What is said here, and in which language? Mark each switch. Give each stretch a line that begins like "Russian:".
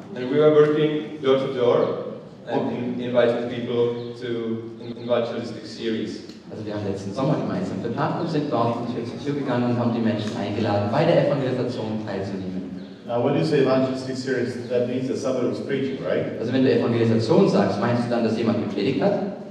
English: And we were working door to door and inviting people to evangelistic series.
German: Also wir haben letzten Sommer gemeinsam verbracht und sind dort Tür zu Tür gegangen und haben die Menschen eingeladen, bei der Evangelisation teilzunehmen.
English: Now, when you say evangelistic series, that means that somebody was preaching, right?
German: Also, wenn du Evangelisation sagst, meinst du dann, dass jemand gepredigt hat?